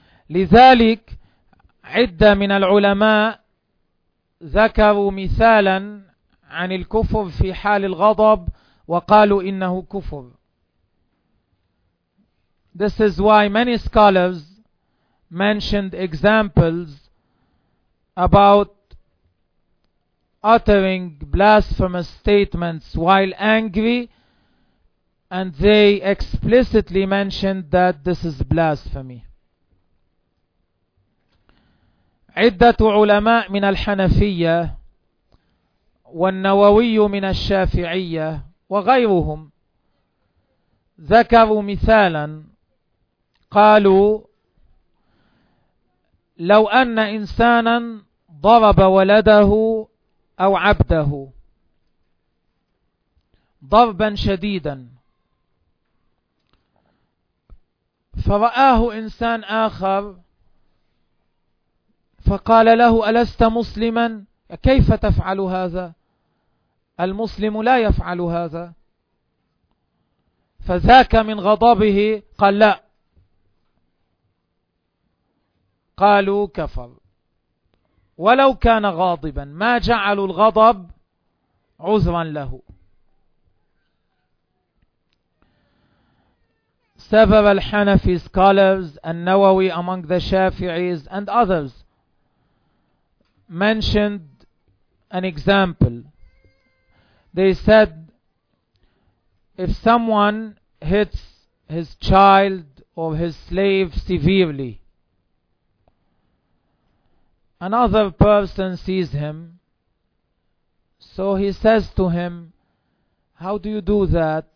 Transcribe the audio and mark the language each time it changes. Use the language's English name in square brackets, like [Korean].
[Arabic] لذلك عدة من العلماء ذكروا مثالا عن الكفر في حال الغضب وقالوا إنه كفر. [English] This is why many scholars mentioned examples about uttering blasphemous statements while angry, and they explicitly mentioned that this is blasphemy. [Arabic] عدة علماء من الحنفية والنووي من الشافعية وغيرهم ذكروا مثالا قالوا لو أن إنسانا ضرب ولده أو عبده ضربا شديدا فرآه إنسان آخر فقال له ألست مسلما؟ كيف تفعل هذا؟ المسلم لا يفعل هذا. فذاك من غضبه قال لا، قالوا كفر ولو كان غاضبا، ما جعلوا الغضب عذرا له. [English] Several Hanafi scholars and Nawawi among the Shafi'is and others mentioned an example. They said if someone hits his child or his slave severely, another person sees him, so he says to him, how do you do that?